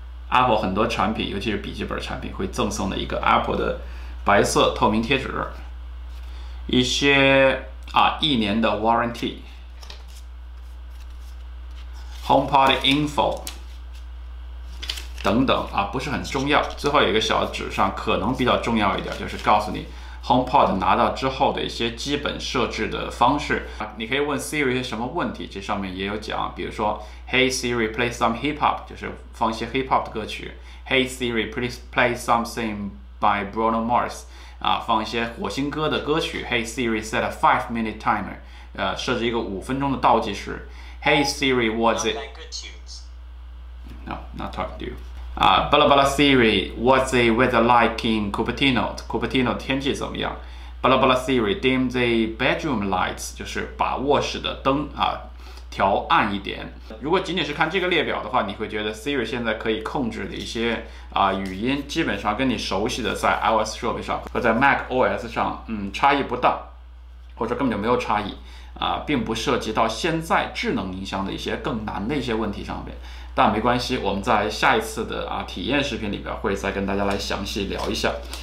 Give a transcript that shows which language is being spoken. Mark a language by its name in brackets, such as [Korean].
[Chinese] Apple 很多产品尤其是笔记本产品会赠送的一个 Apple 的白色透明贴纸，一些一年的 warranty，HomePod info 等等不是很重要。最后有一个小纸上可能比较重要一点，就是告诉你 HomePod 拿到之后的一些基本设置的方式你可以问 Siri 什么问题，这上面也有讲，比如说 [English] Hey Siri play some hip hop， [Chinese] 就是放一些 hip hop 的歌曲。 [English] Hey Siri please play something by Bruno Mars， [Chinese] 放一些火星哥的歌曲。 [English] Hey Siri set a 5 minute timer， [Chinese] 设置一个五分钟的倒计时。 [English] Hey Siri, what's it? No, not talking to you. Bla bla Siri, what's the weather like in Cupertino? [Chinese] Cupertino 天气怎么样？ [English] Bla bla Siri, dim the bedroom lights， [Chinese] 就是把卧室的灯调暗一点。如果仅仅是看这个列表的话，你会觉得 Siri 现在可以控制的一些语音，基本上跟你熟悉的在 iOS 设备上和在 Mac OS 上，差异不大，或者根本就没有差异。并不涉及到现在智能音箱的一些更难的一些问题上面，但没关系，我们在下一次的体验视频里边会再跟大家来详细聊一下。